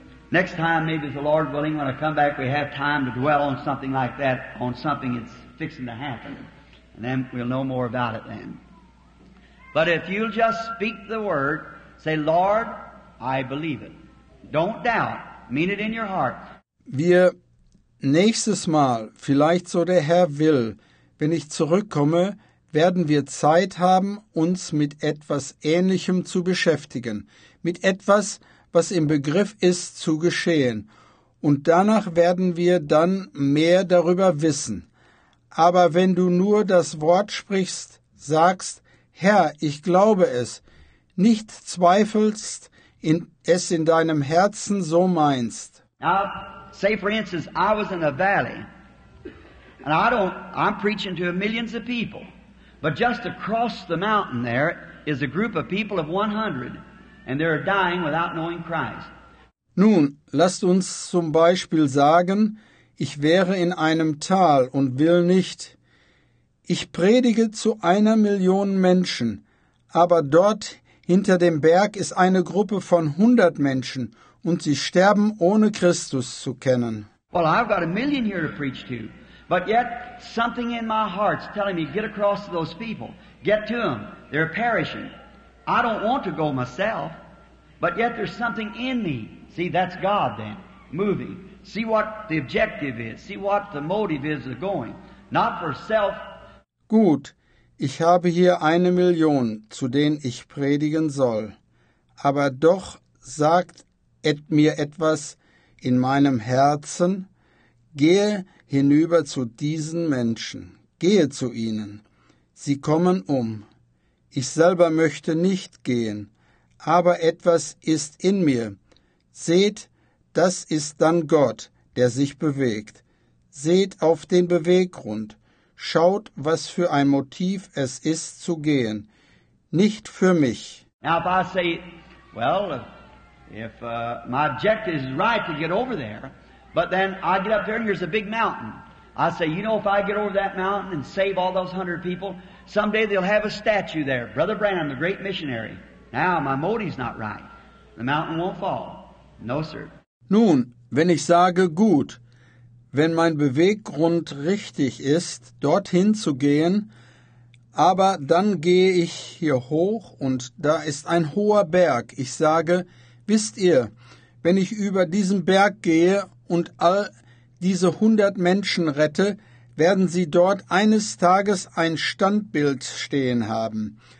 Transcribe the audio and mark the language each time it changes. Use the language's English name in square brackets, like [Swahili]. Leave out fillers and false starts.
[English] Next time, maybe if the Lord willing, when I come back, we have time to dwell on something like that, on something that's fixing to happen. And then we'll know more about it then. But if you'll just speak the word, say, Lord, I believe it. Don't doubt. Mean it in your heart. [German] Wir nächstes Mal, vielleicht so der Herr will, wenn ich zurückkomme, werden wir Zeit haben, uns mit etwas Ähnlichem zu beschäftigen. Mit etwas, was im Begriff ist, zu geschehen. Und danach werden wir dann mehr darüber wissen. Aber wenn du nur das Wort sprichst, sagst, Herr, ich glaube es, nicht zweifelst, es in deinem Herzen so meinst. [English] I'll say for instance, I was in a valley, and I'm preaching to millions of people, but just across the mountain there is a group of people of 100, and they're dying without knowing Christ. [German] Nun, lasst uns zum Beispiel sagen, ich wäre in einem Tal und will nicht. Ich predige zu 1 Million Menschen, aber dort hinter dem Berg ist eine Gruppe von 100 Menschen und sie sterben ohne Christus zu kennen. [English] Well, I've got 1 million here to preach to, but yet something in my heart's telling me, get across to those people, get to them, they're perishing. I don't want to go myself, but yet there's something in me. See, that's God then, moving. See what the objective is. See what the motive is of going. Not for self. [German] Gut, ich habe hier 1 Million, zu denen ich predigen soll. Aber doch sagt mir etwas in meinem Herzen, gehe hinüber zu diesen Menschen. Gehe zu ihnen. Sie kommen um. Ich selber möchte nicht gehen, aber etwas ist in mir. Seht, das ist dann Gott, der sich bewegt. Seht auf den Beweggrund. Schaut, was für ein Motiv es ist, zu gehen. Nicht für mich. [English] Now, if I say, well, if my objective is right to get over there, but then I get up there and there's a big mountain. I say, you know, if I get over that mountain and save all those 100 people, someday they'll have a statue there. Brother Branham, the great missionary. Now, my motive's not right. The mountain won't fall. No, sir. [German] Nun, wenn ich sage, gut, wenn mein Beweggrund richtig ist, dorthin zu gehen, aber dann gehe ich hier hoch und da ist ein hoher Berg. Ich sage, wisst ihr, wenn ich über diesen Berg gehe und all diese 100 Menschen rette, werden sie dort eines Tages ein Standbild stehen haben.